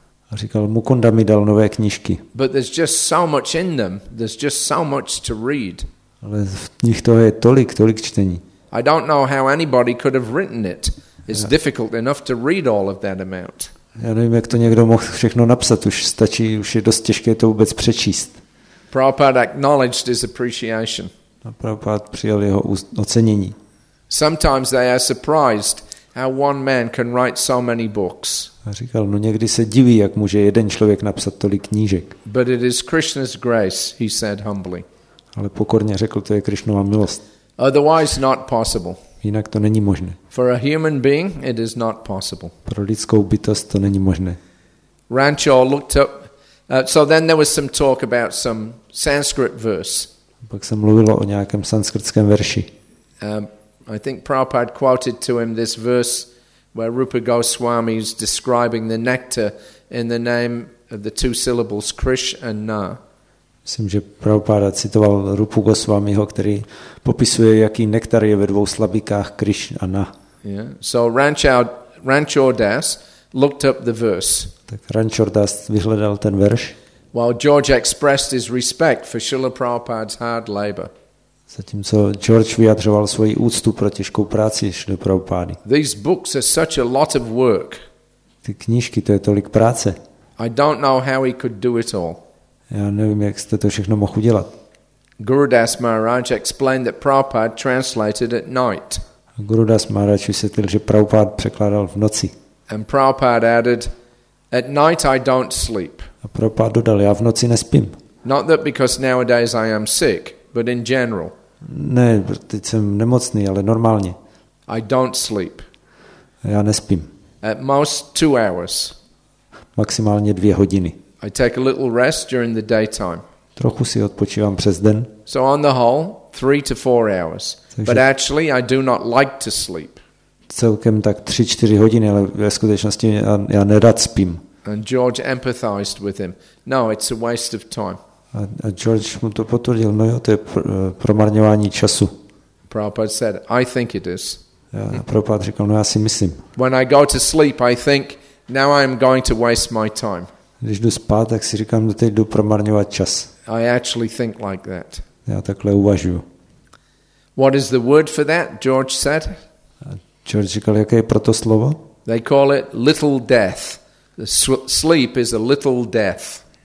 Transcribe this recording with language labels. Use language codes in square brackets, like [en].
[cs] A říkal, Mukunda mi dal nové knížky. [en] But there's just so much in them. There's just so much to read. [cs] Ale v nich toho je tolik, tolik čtení. [en] I don't know how anybody could have written it. It's difficult enough to read all of that amount. [cs] Já nevím, jak to někdo mohl všechno napsat, už stačí, už je dost těžké to vůbec přečíst. [en] Prabhupada acknowledged his appreciation. [cs] A Prabhupada přijal jeho ocenění. [en] Sometimes they are surprised how one man can write so many books. [cs] A říkal, no někdy se diví, jak může jeden člověk napsat tolik knížek. [en] But it is Krishna's grace, he said humbly. [cs] Ale pokorně řekl, to je Krišnova milost. [en] Otherwise not possible. [cs] Jinak to není možné. [en] For a human being, it is not possible. [cs] Pro lidskou bytost to není možné. [en] Rancho looked up. So then there was some talk about some Sanskrit verse. [cs] Pak se mluvilo o nějakém sanskritském verši. [en] I think Prabhupada quoted to him this verse where Rupa Goswami is describing the nectar in the name of the two syllables Krish and Na. [cs] Myslím, že Prabhupada citoval Rupu Goswamiho, který popisuje, jaký nektar je ve dvou slabikách Krish a Na. [en] Yeah. So Ranchordas looked up the verse. [cs] Tak Ranchordas vyhledal ten verš. [en] While George expressed his respect for Srila Prabhupada's hard labor. [cs] Zatímco George vyjadřoval svoji úctu pro těžkou práci Srila Prabhupády. [en] These books are such a lot of work. [cs] Ty knížky, to je tolik práce. [en] I don't know how he could do it all. [cs] Já nevím, jak jste to všechno mohl udělat. [en] Gurudas Maharaj explained that Prabhupada translated at night. [cs] Gurudas Maharaj vysvětlil, že Prabhupada překládal v noci. [en] And Prabhupada added, at night I don't sleep. [cs] A Prabhupada dodal, já v noci nespím. [en] Not that because nowadays I am sick, but in general. [cs] Ne, teď jsem nemocný, ale normálně. [en] I don't sleep. [cs] Já nespím. [en] At most 2 hours. [cs] Maximálně 2 hodiny. [en] I take a little rest during the daytime. [cs] Trochu si odpočívám přes den. [en] So on the whole, 3 to 4 hours. [cs] Takže [en] but actually, I do not like to sleep. [cs] Celkem tak 3-4 hodiny, ale ve skutečnosti já nerad spím. [en] And George empathized with him. No, it's a waste of time. [cs] A George mu to potvrdil. No jo, to je promarňování času. [en] Prabhupada said, I think it is. [cs] Já, Prabhupada řekl, no já si myslím. [en] When I go to sleep, I think, now I am going to waste my time. [cs] Když jdu spát, tak si říkám, že teď jdu promarňovat čas. [en] I actually think like that. [cs] Já takhle uvažuju. [en] What is the word for that? George said. [cs] A George říkal, jaké je proto slovo? [en] They call it little death. Sleep is a little death.